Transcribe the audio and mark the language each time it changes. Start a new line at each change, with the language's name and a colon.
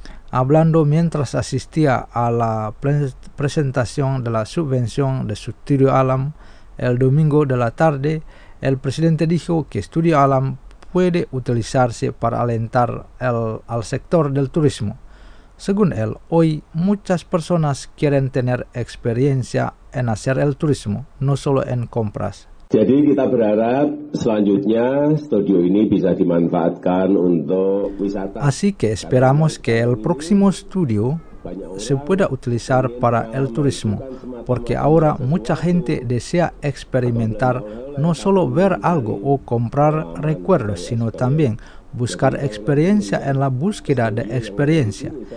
Spanish: Hablando mientras asistía a la presentación de la subvención de Studio Alam el domingo de la tarde, el presidente dijo que Studio Alam puede utilizarse para alentar al sector del turismo. Según él, hoy muchas personas quieren tener experiencia en hacer el turismo, no solo en compras.
Indonesian: Jadi kita berharap selanjutnya studio ini bisa dimanfaatkan untuk wisata.
Spanish: Así que esperamos que el próximo estudio se pueda utilizar para el turismo, porque ahora mucha gente desea experimentar no solo ver algo o comprar recuerdos, sino también buscar experiencia en la búsqueda de experiencia.